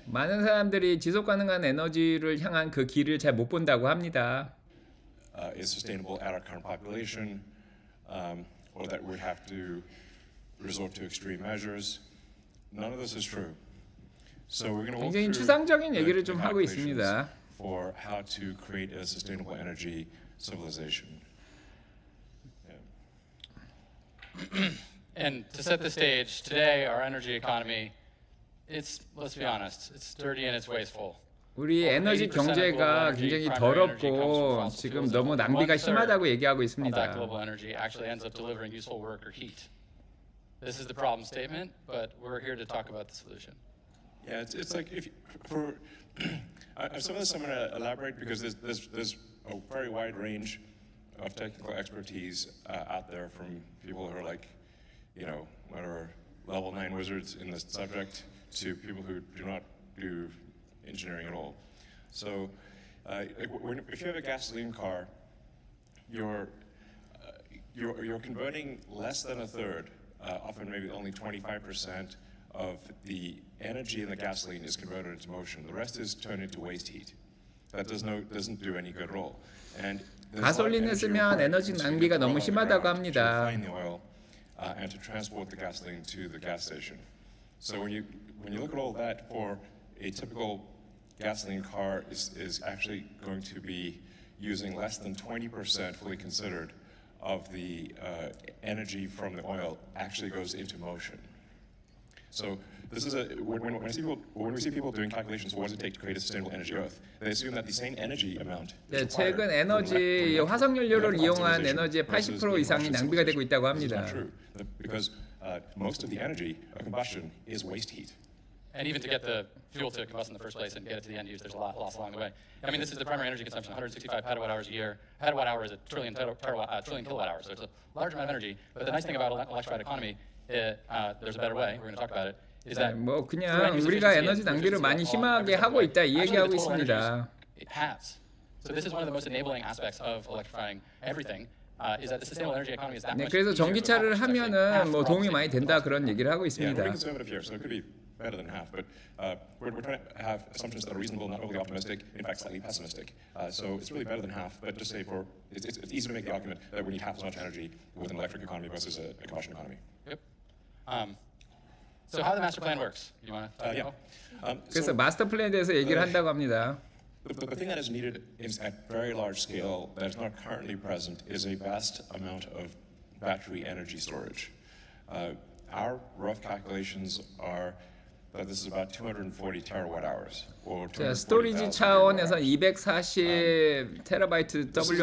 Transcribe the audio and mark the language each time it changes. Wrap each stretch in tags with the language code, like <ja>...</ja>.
<ko>많은 사람들이 지속 가능한 에너지를 향한 그 길을 잘 못 본다고 합니다.</ko> <en>Is sustainable at our current population, or that we have to resort to extreme measures. None of this is true. So we're going to walk through</en> <ko>추상적인 얘기를 좀 하고 있습니다.</ko> <en>For how to create a sustainable energy civilization. Yeah. And to set the stage, today our energy economy, it's let's be honest, it's dirty and it's wasteful.</en> <ko>우리 에너지 경제가 굉장히 더럽고 지금 너무 낭비가 심하다고 얘기하고 있습니다.</ko> <en>Global energy actually ends up delivering useful work or heat. This is the problem statement, but we're here to talk about the solution. Yeah, it's like if for some of this I'm going to elaborate because there's a very wide range of technical expertise out there from people who are like, you know, whatever level 9 wizards in this subject to people who do not do engineering at all. So if you have a gasoline car, you're converting less than a third, often maybe only 25% of the energy in the gasoline is converted into motion. The rest is turned into waste heat. That does no, doesn't do any good role. And</en> <ko>가솔린을 쓰면 에너지 낭비가 너무 심하다고 합니다.</ko> <en>And to transport the gasoline to the gas station. So when you look at all that for a typical gasoline car is actually going to be using less than 20% fully considered of the energy from the oil actually goes into motion. So this is a when we see people doing calculations for what does it take to create a sustainable energy Earth, they assume that the same energy amount.</en> <ko>네, 최근 에너지 화석 연료를 이용한 에너지의 80% 이상이 낭비가 되고 있다고 합니다.</ko> <en>Because most of the energy of combustion is waste heat. And even to get the fuel to combust in the first place and get it to the end use, there's a lot lost along the way. I mean, this is the primary energy consumption, 165 petawatt hours a year. Petawatt hour is a trillion, trillion kilowatt hours, so it's a large amount of energy. But the nice thing about an electrified economy, there's a better way, we're going to talk about it, is that</en> <ko>뭐 그냥 우리가 에너지 낭비를 많이 심하게 하고 있다 이 얘기하고 있습니다.</ko> <en>So this is one of the most enabling aspects of electrifying everything. Is that the sustainable energy economy is that</en> <ko>네, 그래서 전기차를 하면은 뭐 도움이 많이 된다 그런 얘기를 하고 있습니다.</ko> <en>Better than half, but we're trying to have assumptions that are reasonable, not overly optimistic, in fact, slightly pessimistic. So it's really better than half, but just say for it's easy to make the argument that we need half as much energy with an electric economy versus a combustion economy. Yep. So how the master plan works? You want to talk about?</en> <ko>그래서 마스터 플랜에 대해서 얘기를 한다고 합니다.</ko> <en>The thing that is needed is at very large scale that is not currently present is a vast amount of battery energy storage. Our rough calculations are. That this is about 240 terawatt hours, or 240,000 storage</en> <ko>차원에서</ko> <en>240 terabyte W hour.</en>